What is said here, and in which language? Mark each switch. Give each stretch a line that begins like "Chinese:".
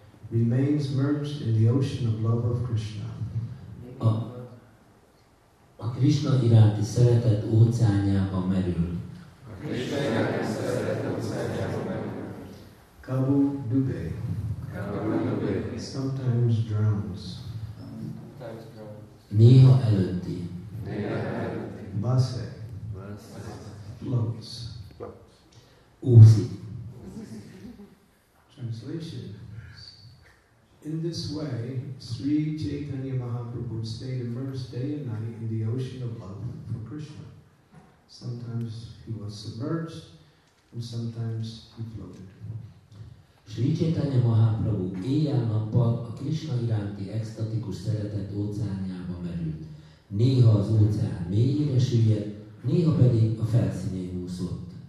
English: Remains merged in the ocean of love of Krishna.
Hungarian: A Krishna iránti szeretet óceánjában merül. A Krishna iránti szeretet óceánjában merül.
Bangla: Kabu Dubé. Kabu Dubé.
English: Sometimes drowns.
Hungarian: Néha elönti. Néha elönti.
Bangla: Basse. Basse.
English: Floats.
Hungarian: Úszik.
English: Translation. In this way, Sri Chaitanya Mahaprabhu stayed immersed day and night in the ocean of love for Krishna. Sometimes he was submerged, and sometimes he floated.
Hungarian: Sri Chaitanya Mahaprabhu éjjel-nappal a Krishna iránti extatikus szeretet óceánjába merült. Néha az óceán mélyére süllyedt, néha pedig a felszínén úszott.